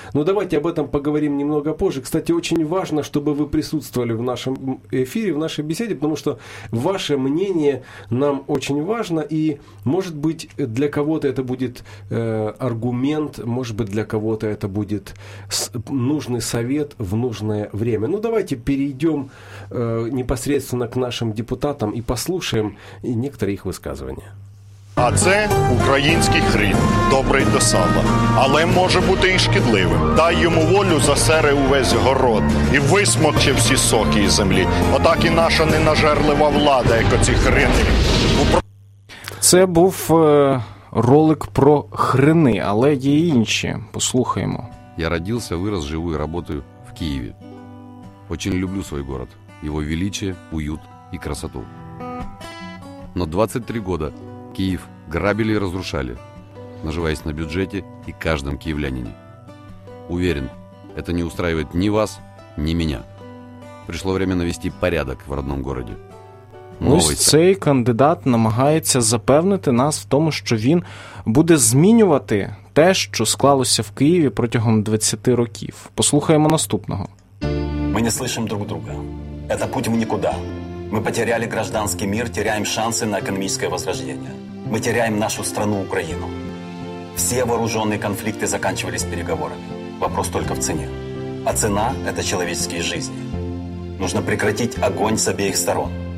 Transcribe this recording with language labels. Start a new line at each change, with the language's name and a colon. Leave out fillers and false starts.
Russian: Но давайте об этом поговорим немного позже. Кстати, очень важно, чтобы вы присутствовали в нашем эфире, в нашей беседе, потому что ваше мнение нам очень важно, и, может быть, для кого-то это будет аргумент, может быть, для кого-то это будет нужный совет в нужное время. Ну, давайте перейдем непосредственно к нашим депутатам и послушаем некоторые висказування.
Ukrainian: А це український хрін, добрий до сала, але може бути і шкідливим. Дай йому волю, засере увесь город і висмокче всі соки із землі. Отак і наша ненажерлива влада, як оці хрини. Це був ролик про хрини, але є й інші. Послухаємо.
Russian: Я родился, вырос, живу і работаю в Києві. Очень люблю свой город, его величие, уют и красоту. Но 23 года Киев грабили и разрушали, наживаясь на бюджете и каждом киевлянине. Уверен, это не устраивает ни вас, ни меня. Пришло время навести порядок в родном городе.
Ukrainian: Ось цей кандидат намагається запевнити нас в тому, що він буде змінювати те, що склалося в Києві протягом 20 років. Послухаємо наступного.
Russian: Ми не слышим друг друга. Это путь в никуда. Мы потеряли гражданский мир, теряем шансы на экономическое возрождение. Мы теряем нашу страну, Украину. Все вооруженные конфликты заканчивались переговорами. Вопрос только в цене. А цена – это человеческие жизни. Нужно прекратить огонь с обеих сторон.